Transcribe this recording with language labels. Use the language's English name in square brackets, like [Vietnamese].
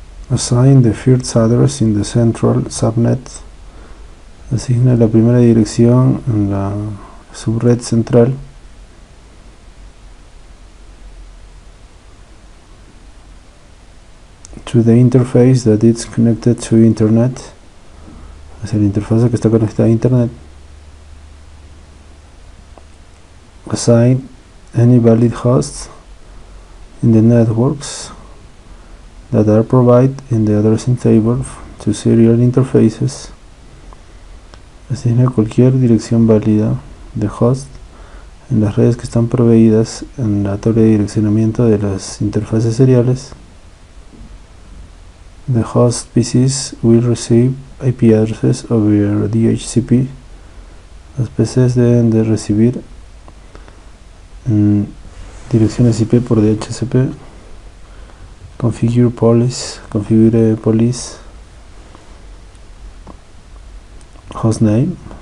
[English] Assign the first address in the central subnet. [Spanish] Asigne la primera dirección en la subred central. [English] To the interface that is connected to internet. [Spanish] Hacia la interfaz que está conectada a internet. [English] Assign any valid hosts in the networks that are provided in the addressing table to serial interfaces. [Spanish] Asigne cualquier dirección válida de host en las redes que están proveídas en la tabla de direccionamiento de las interfaces seriales. [English] The host PCs will receive IP addresses over DHCP. [Spanish] Los PCs deben de recibir direcciones IP por DHCP. [English] Configure police, configure police. Hostname.